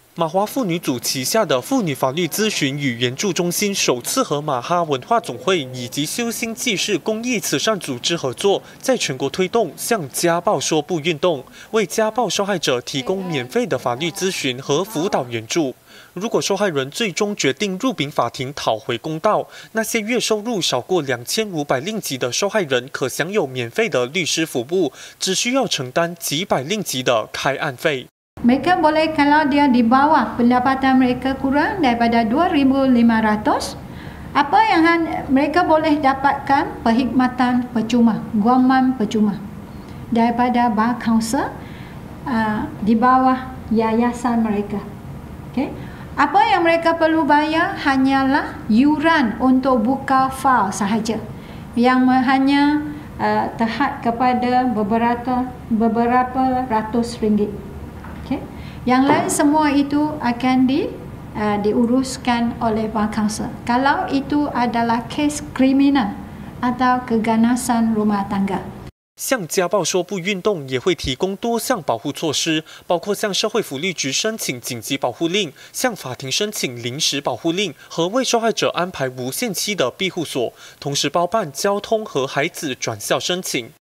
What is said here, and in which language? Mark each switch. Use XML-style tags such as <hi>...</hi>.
<zh>马华妇女组旗下的妇女法律咨询与援助中心首次和马哈文化总会以及修心济世公益慈善组织合作，在全国推动向家暴说不运动，为家暴受害者提供免费的法律咨询和辅导援助。如果受害人最终决定入禀法庭讨回公道，那些月收入少过2500令吉的受害人可享有免费的律师服务，只需要承担几百令吉的开案费。</zh> <ms>Mereka boleh kalau dia di bawah pendapatan mereka kurang daripada 2,500, apa yang mereka boleh dapatkan perkhidmatan percuma, guaman percuma daripada bar kaunsel di bawah yayasan mereka. Okay, apa yang mereka perlu bayar hanyalah yuran untuk buka fail sahaja yang hanya terhad kepada beberapa ratus ringgit. Yang lain semua itu akan diuruskan oleh bar kaunsel. Kalau itu adalah kes kriminal atau keganasan rumah tangga.</ms> <zh>向家暴说不运动也会提供多项保护措施，包括向社会福利局申请紧急保护令，向法庭申请临时保护令和为受害者安排无限期的庇护所，同时包办交通和孩子转校申请。</zh>